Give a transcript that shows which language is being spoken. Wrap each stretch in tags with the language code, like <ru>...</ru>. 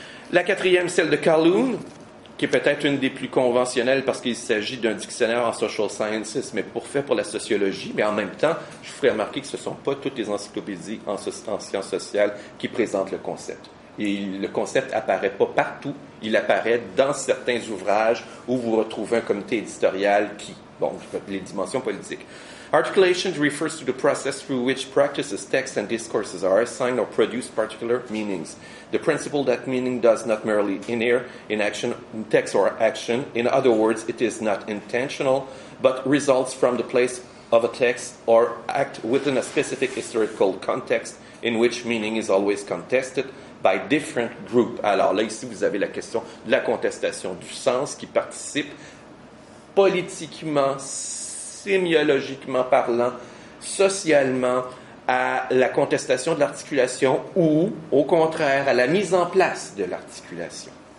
<fr>La quatrième, celle de Calhoun, qui est peut-être une des plus conventionnelles parce qu'il s'agit d'un dictionnaire en social sciences, mais pour la sociologie. Mais en même temps, je vous ferai remarquer que ce ne sont pas toutes les encyclopédies en sciences sociales qui présentent le concept. Et le concept apparaît pas partout. Il apparaît dans certains ouvrages où vous retrouvez un comité éditorial qui, bon, les dimensions politiques.</fr> <en>Articulation refers to the process through which practices, texts, and discourses are assigned or produce particular meanings. The principle that meaning does not merely inhere in action, in text or action, in other words, it is not intentional, but results from the place of a text or act within a specific historical context in which meaning is always contested by different groups.</en> <fr>Alors là, ici, vous avez la question de la contestation du sens qui participe politiquement, sémiologiquement parlant, socialement, à la contestation de l'articulation ou, au contraire, à la mise en place de l'articulation.</fr>